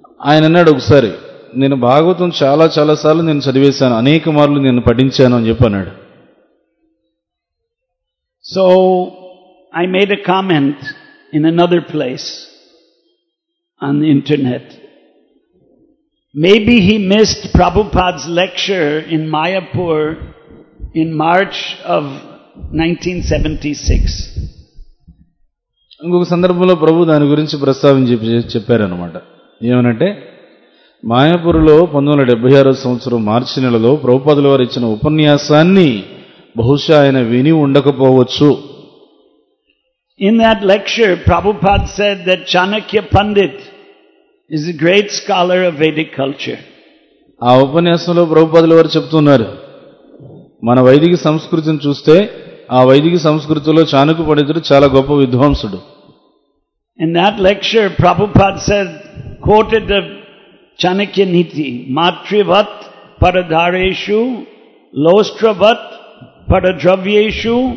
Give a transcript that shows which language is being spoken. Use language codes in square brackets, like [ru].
[te] ఆయన అన్నాడు ఒకసారి, నేను భాగవతం చాలా చాలా సార్లు నేను చదివేశాను, అనేక మార్లు నేను పఠించాను అని చెప్పి అన్నాడు. [en] So I made a comment in another place on internet. Maybe he missed Prabhupada's lecture in Mayapur in March of 1976. [te] ఇంకొక సందర్భంలో ప్రభు దాని గురించి ప్రస్తావన చెప్పారన్నమాట. ఏమనంటే మాయాపూర్లో 1976 మార్చి నెలలో ప్రభుపాదుల వారు ఇచ్చిన ఉపన్యాసాన్ని బహుశా ఆయన విని ఉండకపోవచ్చు. [en] In that lecture, Prabhupada said that Chanakya Pandit is a great scholar of Vedic culture. [te] ఆ ఉపన్యాసంలో ప్రభుపాదుల వారు చెప్తున్నారు, మన వైదిక సంస్కృతిని చూస్తే ఆ వైదిక సంస్కృతిలో చాణక్య పండితుడు చాలా గొప్ప విద్వాంసుడు. [en] In that lecture, Prabhupada said, quoted the [sa] Chanakya NITI, మాతృవత్ పరధారేషు లోస్త్రవత్ పరద్రవ్యేషు.